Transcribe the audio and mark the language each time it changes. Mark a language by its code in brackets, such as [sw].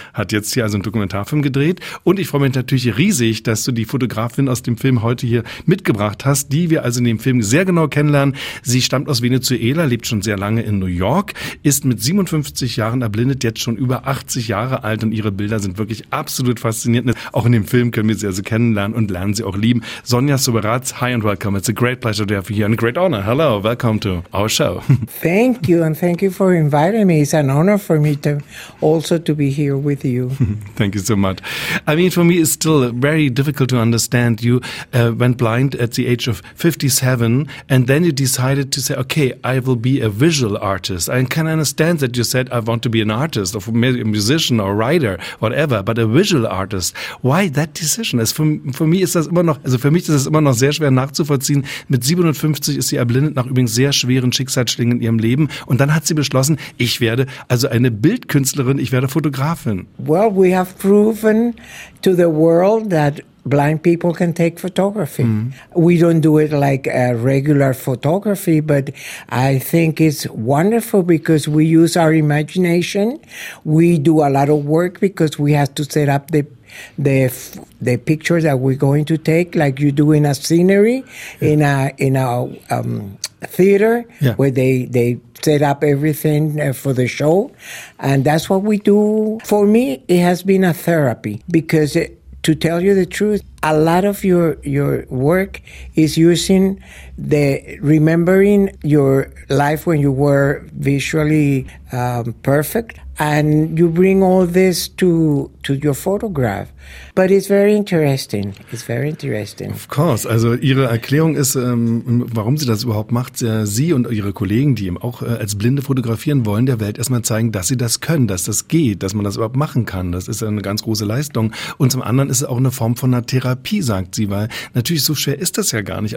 [de] Hat jetzt hier also einen Dokumentarfilm gedreht und ich freue mich natürlich riesig, dass du die Fotografin aus dem Film heute hier mitgebracht hast, die wir also in dem Film sehr genau kennenlernen. Sie stammt aus Venezuela, lebt schon sehr lange in New York, ist mit 57 Jahren erblindet, jetzt schon über 80 Jahre alt und ihre Bilder sind wirklich absolut faszinierend. Auch in dem Film können wir sie also kennenlernen und lernen sie auch lieben. [en] Sonja Soberatz, hi and welcome. It's a great pleasure to have you here and a great honor. Hello, welcome to our show. Thank you and thank you for inviting me. It's an honor for me to also to be here with you. Thank you so much. I mean, for me it's still very difficult to understand. You went blind at the age of 57 and then you decided to say, okay, I will be a visual artist. I can understand that you said, I want to be an artist or maybe a musician or writer, whatever, but a visual artist. Why that decision? [de] Für mich ist das immer noch sehr schwer nachzuvollziehen. Mit 57 ist sie erblindet nach übrigens sehr schweren Schicksalsschlägen in ihrem Leben. Und dann hat sie beschlossen, ich werde also eine Bildkünstlerin, ich werde Fotografin. [en] Well, we have proven to the world that blind people can take photography. Mm. We don't do it like a regular photography, but I think it's wonderful because we use our imagination. We do a lot of work because we have to set up the picture that we're going to take, like you do in a scenery, yeah. in a theater, yeah. Where they set up everything for the show. And that's what we do. For me, it has been a therapy because to tell you the truth, a lot of your work is using the remembering your life when you were visually perfect, and you bring all this to your photograph. But it's very interesting. It's very interesting. Of course. [de] Also ihre Erklärung ist, warum sie das überhaupt macht. Sie und ihre Kollegen, die eben auch als Blinde fotografieren, wollen der Welt erstmal zeigen, dass sie das können, dass das geht, dass man das überhaupt machen kann. Das ist eine ganz große Leistung. Und zum anderen ist es auch eine Form von einer Therapie, sagt sie, weil natürlich so schwer ist das ja gar nicht.